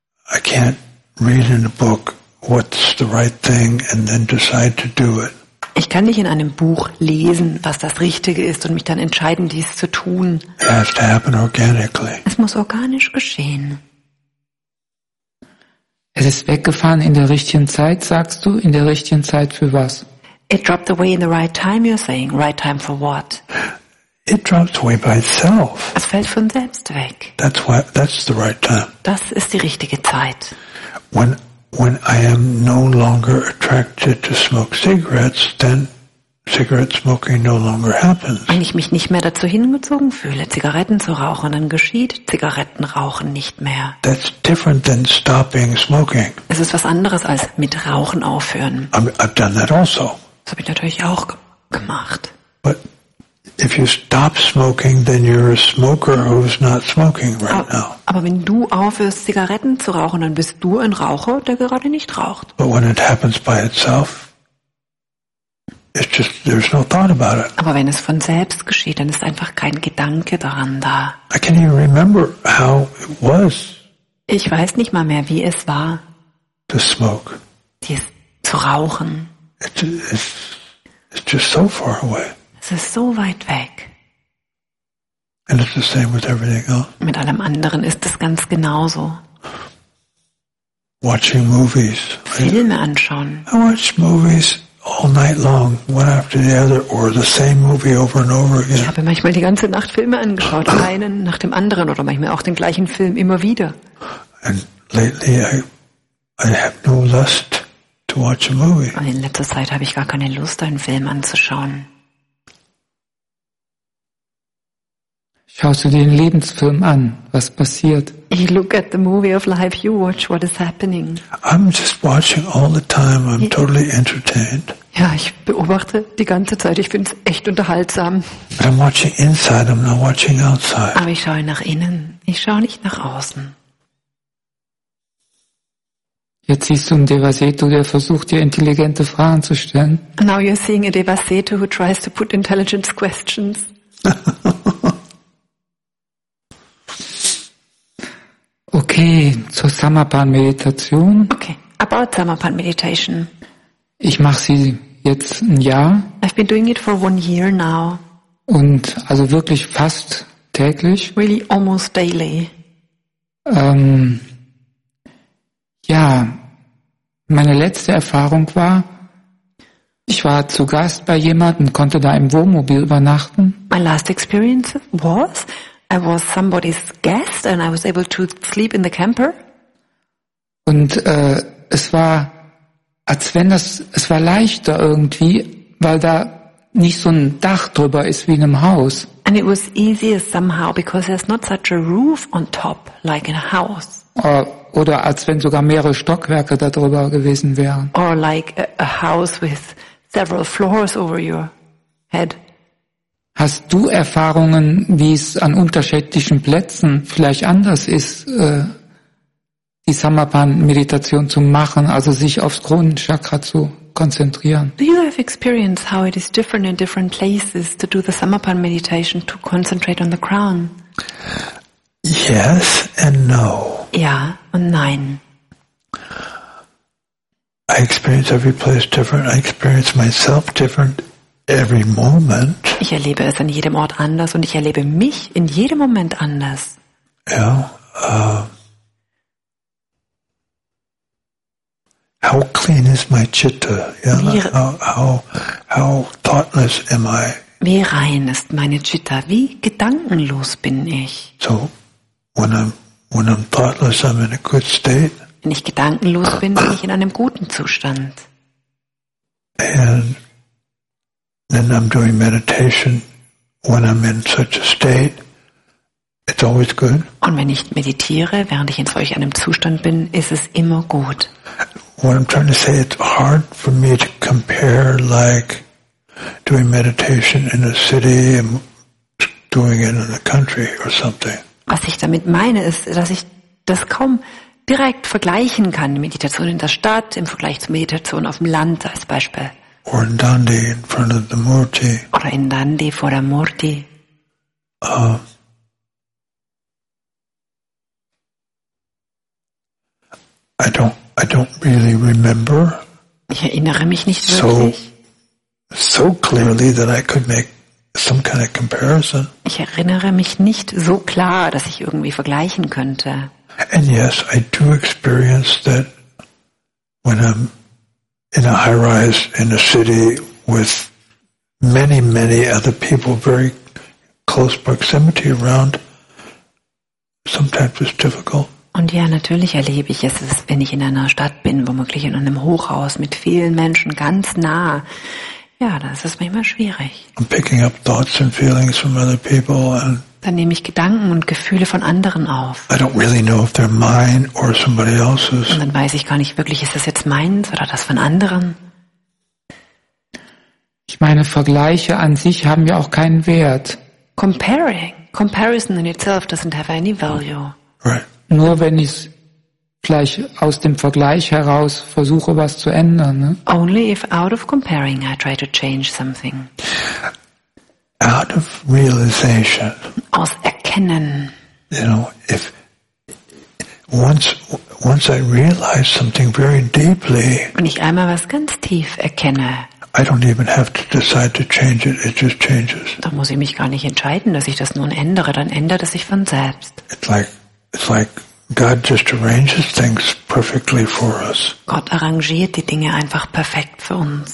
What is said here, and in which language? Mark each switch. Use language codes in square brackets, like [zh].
[en] I can't read in a book what's the right thing and then decide to do it. [de] Ich kann nicht in einem Buch lesen, was das Richtige ist, und mich dann entscheiden, dies zu tun. [en] It has to happen organically. [de] Es muss organisch geschehen. Es ist weggefahren in der richtigen Zeit, sagst du? In der richtigen Zeit für was? [en] It dropped away in the right time, you're saying. Right time for what? It drops away by itself. [de] Es fällt von selbst weg. [en] That's why, that's the right time. [de] Das ist die richtige Zeit. [en] When I am no longer attracted to smoke cigarettes, then cigarette smoking no longer happens. [de] Wenn ich mich nicht mehr dazu hingezogen fühle, Zigaretten zu rauchen, dann geschieht Zigarettenrauchen nicht mehr. [en] That's different than stopping smoking. [de] Es ist was anderes als mit Rauchen aufhören. [en] I've done that also. [de] Das habe ich natürlich auch gemacht. [en] But if you stop smoking, then you're a smoker who's not smoking right now. [de] Aber wenn du aufhörst, Zigaretten zu rauchen, dann bist du ein Raucher, der gerade nicht raucht. [en] But when it happens by itself, it's just, there's no thought about it. [de] Aber wenn es von selbst geschieht, dann ist einfach kein Gedanke daran da. [en] I can't even remember how it was. [de] Ich weiß nicht mal mehr, wie es war. [en] To smoke. [de] Dies zu rauchen. [en] It's just so far away. [de] Es ist so weit weg. [en] And it's the same with everything else. [de] Mit allem anderen ist es ganz genauso. [en] Watching movies. [de] Filme anschauen. [en] I watch movies all night long, one after the other, or the same movie over and over again. [de] Ich habe manchmal die ganze Nacht Filme angeschaut, einen nach dem anderen, oder manchmal auch den gleichen Film immer wieder. [en] And lately I have no lust to watch a movie. [de] Und in letzter Zeit habe ich gar keine Lust, einen Film anzuschauen. Schaust du dir den Lebensfilm an? Was passiert? [en] You look at the movie of life, you watch what is happening. I'm just watching all the time, I'm totally entertained. [de] Ja, ich beobachte die ganze Zeit, ich finde es echt unterhaltsam. [en] But I'm watching inside, I'm not watching outside. [de] Aber ich schaue nach innen, ich schaue nicht nach außen. Jetzt siehst du einen Devasetu, der versucht, dir intelligente Fragen zu stellen. [en] Now you're seeing a Devasetu who tries to put intelligent questions. [de] Okay, zur Samapan-Meditation. [en] Okay, about Samapan-Meditation. [de] Ich mache sie jetzt ein Jahr. [en] I've been doing it for 1 year now. [de] Und also wirklich fast täglich. [en] Really almost daily. [de] Ja, meine letzte Erfahrung war, ich war zu Gast bei jemandem, konnte da im Wohnmobil übernachten. [en] My last experience was, I was somebody's guest and I was able to sleep in the camper. [de] Und es war, als wenn das, es war leichter irgendwie, weil da nicht so ein Dach drüber ist wie in einem Haus. [en] And it was easier somehow because there's not such a roof on top like in a house. [de] Oder als wenn sogar mehrere Stockwerke darüber gewesen wären. [en] Or like a house with several floors over your head. [de] Hast du Erfahrungen, wie es an unterschiedlichen Plätzen vielleicht anders ist, die Samapan-Meditation zu machen, also sich aufs Kronenchakra zu konzentrieren? [en] Do you have experience how it is different in different places to do the Samapan meditation to concentrate on the crown? Yes and no. [de] Ja und nein. [en] I experience every place different. I experience myself different every moment. [de] Ich erlebe es an jedem Ort anders und ich erlebe mich in jedem Moment anders. Ja. [en] How clean is my chitta? Yeah, how thoughtless am I? [de] Wie rein ist meine Chitta? Wie gedankenlos bin ich? [en] So. When I'm thoughtless, I'm in a good state. [de] Wenn ich gedankenlos bin, bin ich in einem guten Zustand. [en] And then I'm doing meditation. When I'm in such a state, it's always good. [de] Und wenn ich meditiere, während ich in solch einem Zustand bin, ist es immer gut. [en] What I'm trying to say, it's hard for me to compare like doing meditation in a city and doing it in the country or something. [de] Was ich damit meine, ist, dass ich das kaum direkt vergleichen kann, Meditation in der Stadt im Vergleich zu Meditation auf dem Land als Beispiel. [en] Or in Dandi in front of the Murti. [de] Oder in Dandi vor der Murti. [en] I don't really remember. [de] Ich erinnere mich nicht wirklich. [en] So clearly that I could make some kind of comparison. [de] Ich erinnere mich nicht so klar, dass ich irgendwie vergleichen könnte. [en] And yes, I do experience that when I'm in a high rise in a city with many, many other people very close proximity around, sometimes it's difficult. [de] Und ja, natürlich erlebe ich es, wenn ich in einer Stadt bin, womöglich in einem Hochhaus mit vielen Menschen ganz nah. Ja, das ist manchmal schwierig. [en] I'm picking up thoughts and feelings from other people and [de] dann nehme ich Gedanken und Gefühle von anderen auf. [en] I don't really know if they're mine or somebody else's. [de] Und dann weiß ich gar nicht wirklich, ist das jetzt meins oder das von anderen? Ich meine, Vergleiche an sich haben ja auch keinen Wert. [en] Comparison in itself doesn't have any value. Right. [de] Nur wenn ich gleich aus dem Vergleich heraus versuche, was zu ändern. Ne? [en] Only if out of comparing I try to change something. Out of realization. [de] Aus Erkennen. [en] You know, if once I realize something very deeply. [de] Wenn ich einmal was ganz tief erkenne. [en] I don't even have to decide to change it. It just changes. [de] Da muss ich mich gar nicht entscheiden, dass ich das nun ändere. Dann ändert es sich von selbst. [en] It's like God just arranges things perfectly for us. [de] Gott arrangiert die Dinge einfach perfekt für uns.